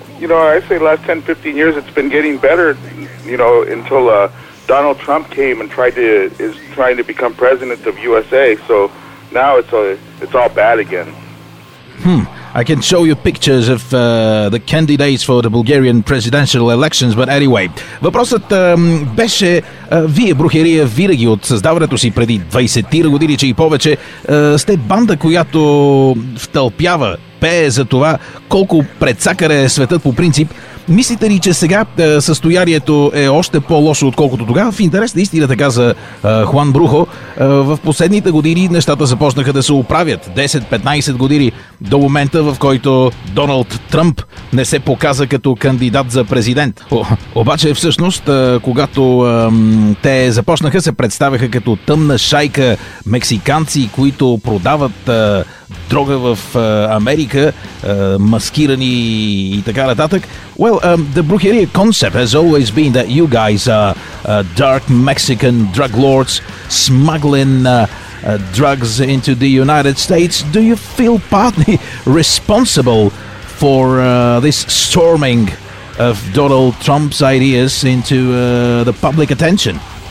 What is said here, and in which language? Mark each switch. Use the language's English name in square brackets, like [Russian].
[English] I say last 10, 15 years it's been getting better, until Donald Trump came and is trying to become president of USA, so now it's all bad again. I can show you pictures of the candidates for the Bulgarian presidential elections, but anyway. [Bulgarian] Въпросът беше, вие, Брухерия, винаги от създаването си преди 20-ти години, че и повече, сте банда, която втълпява, пее за това колко предсакър е светът по принцип. Мислите ли, че сега състоянието е още по-лошо, отколкото тогава? В интерес на истината, каза Хуан Брухо, в последните години нещата започнаха да се оправят. 10-15 години до момента, в който Доналд Тръмп не се показа като кандидат за президент. Обаче всъщност, когато те започнаха, се представяха като тъмна шайка мексиканци, които продават дрога в Америка, маскирани и така нататък. [English] Well, the Brujeria concept has always been that you guys are dark Mexican drug lords smuggling drugs into the United States. Do you feel partly responsible for this storming of Donald Trump's ideas into the public attention?